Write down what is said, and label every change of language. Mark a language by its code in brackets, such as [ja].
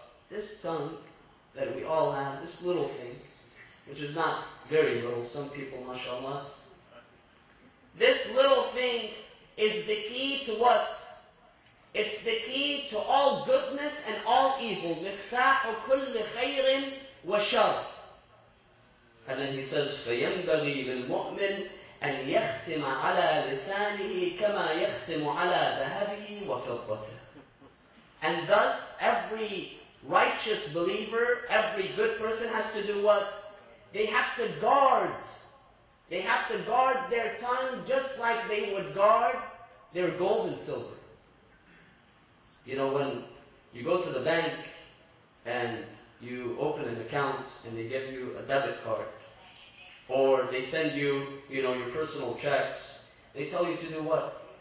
[en] This tongue that we all have, this little thing, which is not very little, some people, mashallah, this little thing is the key to what? It's the key to all goodness and all evil. [ar] مِفْتَاحُ كُلِّ خَيْرٍ وَشَرٍ. [en] And then he says, [ar] فَيَنْبَغِي لِلْمُؤْمِنِ أَنْ يَخْتِمَ عَلَى لِسَانِهِ كَمَا يَخْتِمُ عَلَى ذَهَبِهِ وَفِضَّتِهِ. [en] And thus, every righteous believer, every good person has to do what? They have to guard. They have to guard their tongue just like they would guard their gold and silver. You know, when you go to the bank and you open an account and they give you a debit card, or they send you, you know, your personal checks, they tell you to do what?